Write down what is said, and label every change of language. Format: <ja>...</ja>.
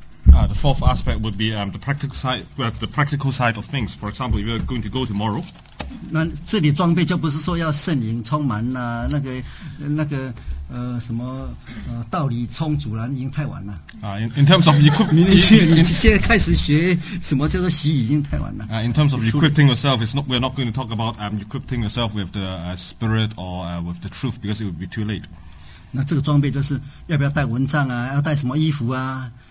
<en>The fourth aspect would be the practical side, the practical side of things. For example, if you're going to go tomorrow.</en> <zh>那这里装备就不是说要圣灵充满了，那个什么道理充足了，已经太晚了。</zh> <en>In terms of</en> <zh>equipping，你现在开始学什么叫做习已经太晚了。</zh> <en>In terms of equipping yourself, we're not going to talk about equipping yourself with the spirit or with the truth because it would be too late.</en> <zh>那这个装备就是要不要带蚊帐啊？要带什么衣服啊？</zh>